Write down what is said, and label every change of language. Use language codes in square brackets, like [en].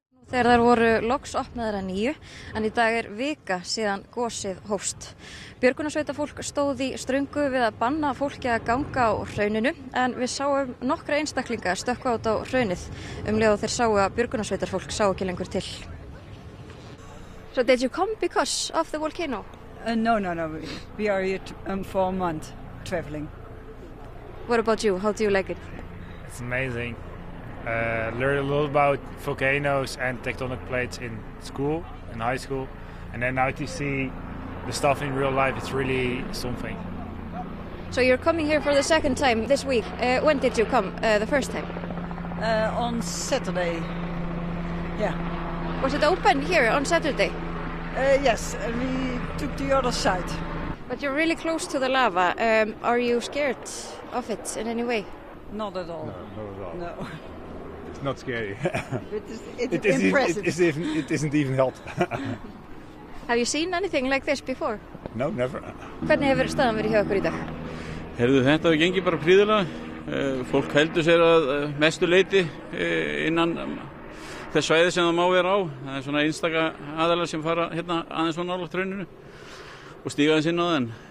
[is] Þegar þær voru loks opnaðar að nýju, en í dag vika síðan gosið hófst. Björgunarsveitafólk stóð í ströngu við að banna fólki að ganga á hrauninu, en við sáum nokkra einstaklinga stökkva út á hraunið leið og þeir sáu að björgunarsveitarfólk sá ekki lengur til. [en] So did you come because of the volcano? No. We are here for a month traveling. What about you? How do you like it? It's amazing. Learned a little about volcanoes and tectonic plates in school, in high school, and then now to see the stuff in real life, it's really something. So you're coming here for the second time this week. When did you come the first time? On Saturday, yeah. Was it open here on Saturday? Yes, we took the other side. But you're really close to the lava. Are you scared of it in any way? Not at all. No. Not scary. it's impressive. It isn't even hot. Have you seen anything like this before? No, never. [is] Hvernig hefur staðan verið hjá okkur í dag? Hefðu þetta að gengi bara prýðilega. Fólk heldur sér að mestu leiti innan þess svæði sem það má vera á. Það svona einstaka aðalega sem fara hérna aðeins svona nálægt rauninu og stíga aðeins inn á þeim.